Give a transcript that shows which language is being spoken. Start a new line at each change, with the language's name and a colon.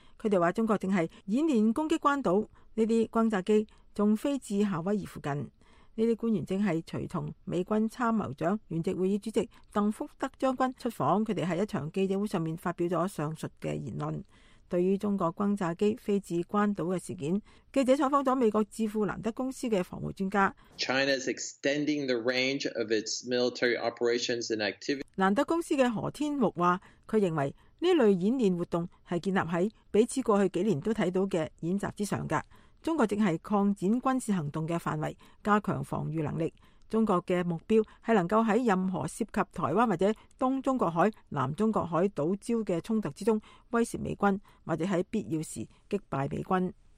Chinese: 他们说中国正是演练攻击关岛，这些轰炸机还飞至夏威夷附近。这些官员正是随同美军参谋长联席会议主席邓福德将军出访，他们在一场记者会上面发表了上述的言论。对于中国轰炸机飞至关岛的事件，记者采访了美国智库兰德公司的防务专家。
English: China is extending the range of its military operations and activities。
Chinese: 兰德公司的何天木说，他认为这类演练活动是建立在彼此过去几年都看到的演习之上的。中国正是扩展军事行动的范围，加强防御能力。中国的目标是能够在任何涉及台湾或者东中国海、南中国海岛礁的冲突之中威胁美军，或者在必要时击败美军。